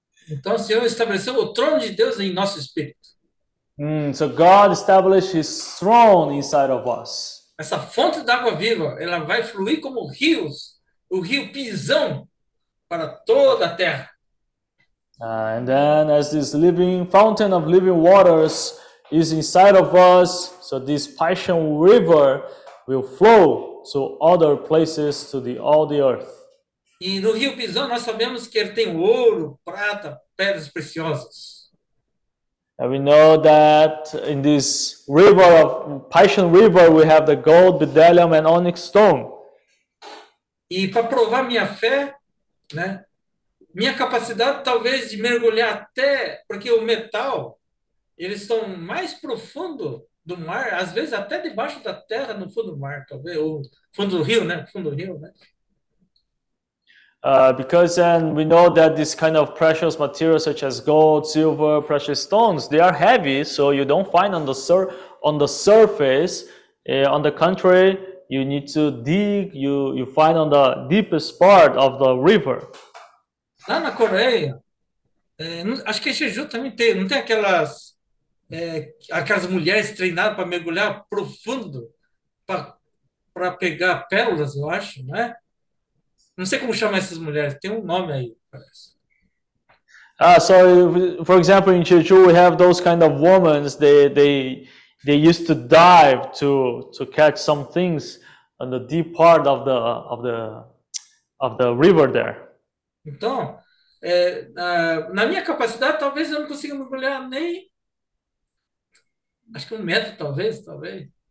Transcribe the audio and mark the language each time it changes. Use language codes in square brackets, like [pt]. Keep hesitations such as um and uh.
[pt] Então, o Senhor estabeleceu o trono de Deus em nosso espírito. [en] Mm, so God established His throne inside of us. [pt] Essa fonte d'água viva, ela vai fluir como rios, o rio pisão para toda a terra. [en] Uh, and then, as this living fountain of living waters is inside of us, so this passion river will flow to other places, to the all the earth. In the [pt] no rio pisão [en] we know that [pt] ele tem ouro, prata, pedras preciosas. [en] And we know that in this river of Paixão River we have the gold, and onyx stone. [pt] E para provar minha fé, né? Minha capacidade talvez de mergulhar até, porque o metal eles estão mais profundo do mar, às vezes até debaixo da terra, no fundo do mar, talvez, ou fundo do rio, né? Fundo do rio, né? [en] Uh, because then we know that this kind of precious materials such as gold, silver, precious stones, they are heavy, so you don't find on the sur- on the surface. Eh, on the contrary, you need to dig, you, you find on the deepest part of the river. [pt] na Coreia, acho que Jeju também tem, não tem aquelas, aquelas mulheres treinadas para mergulhar profundo para pegar pérolas, eu acho, não Não sei como chamar essas mulheres. Tem um nome aí, [en] Ah, uh, so if, for example, in Jeju, we have those kind of women. They they they used to dive to to catch some things on the deep part of the of the of the river there. [pt] Então, é, na, na, minha capacidade, talvez eu não consiga mergulhar nem acho que um metro, talvez, talvez.